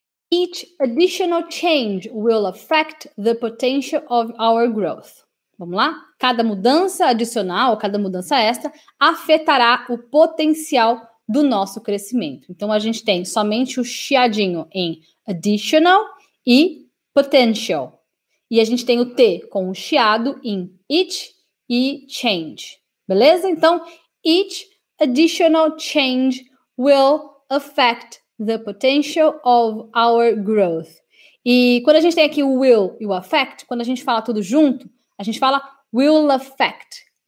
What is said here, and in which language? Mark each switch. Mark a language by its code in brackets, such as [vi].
[en] Each additional change will affect the potential of our growth. [pt] Vamos lá? Cada mudança adicional, cada mudança extra, afetará o potencial do nosso crescimento. Então a gente tem somente o chiadinho em additional e potential. E a gente tem o T com o chiado em each e change. Beleza? Então, [en] each additional change will affect the potential of our growth. [pt] E quando a gente tem aqui o will e o affect, quando a gente fala tudo junto, a gente fala will affect.